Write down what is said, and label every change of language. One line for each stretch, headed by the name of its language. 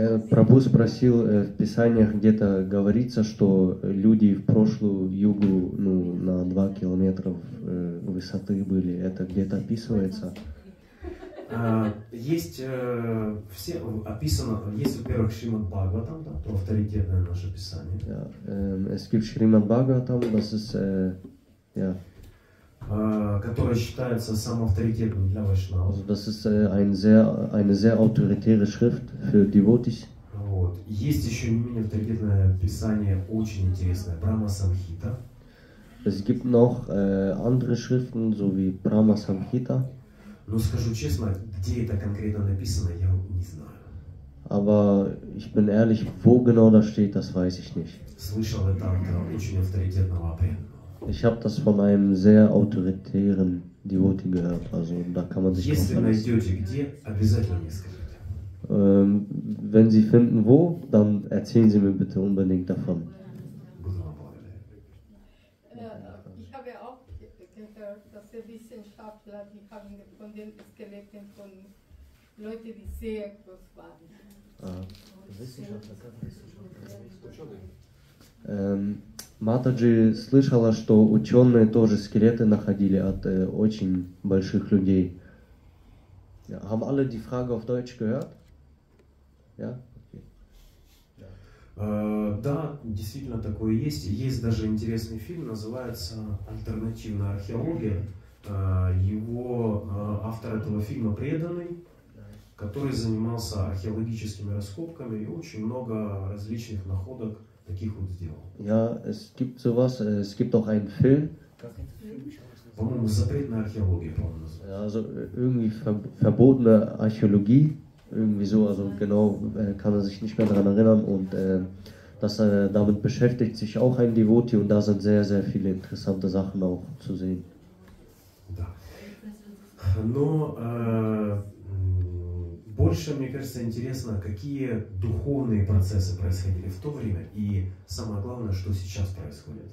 Russian: Prabhu спросил, в писаниях где-то говорится, что люди в прошлую югу ну, на 2 километра высоты были. Это где-то описывается? Есть, во-первых, Шримад Бхагаватам, да, то авторитетное наше писание.
German: Es gibt Шримад Бхагаватам, das ist,
Russian: Которое считается самым авторитетным для вайшнавов.
German: Also das ist eine sehr autoritäre Schrift für Devotees.
Russian: Вот. Есть еще не менее авторитетное писание, очень интересное, Брахма Самхита.
German: Es gibt noch andere Schriften, so wie Brahma Samhita.
Russian: Но скажу честно, где это конкретно написано, я не знаю.
German: Aber ich bin ehrlich, wo genau das steht, das weiß ich nicht.
Russian: Слышал это от очень авторитетного преданного.
German: Ich habe das von einem sehr autoritären Devotee gehört, also da kann man sich drauf verlassen. Wenn Sie finden, wo, dann erzählen Sie mir bitte unbedingt davon. Ich habe auch gehört, dass die Wissenschaftler, die haben von den Skeletten von Leuten, die sehr groß waren. Wissenschaftler,
Russian: Матаджи слышала, что ученые тоже скелеты находили от очень больших людей.
German: Haben alle die Frage auf Deutsch gehört? Ja?
Russian: Да, действительно такое есть. Есть даже интересный фильм, называется «Альтернативная археология». Его автор этого фильма преданный, который занимался археологическими раскопками и очень много различных находок таких вот сделал.
German: Ja, es gibt sowas, es gibt auch einen Film.
Russian: По-моему, «Запретная археология», по-моему, называется.
German: Also irgendwie verbotene Archäologie. Irgendwie so, also genau, kann er sich nicht mehr daran erinnern und dass er damit beschäftigt sich auch ein Devoti und da sind sehr, sehr viele interessante Sachen auch zu sehen.
Russian: Да. Но больше, мне кажется, интересно, какие духовные процессы происходили в то время и самое главное, что сейчас происходит.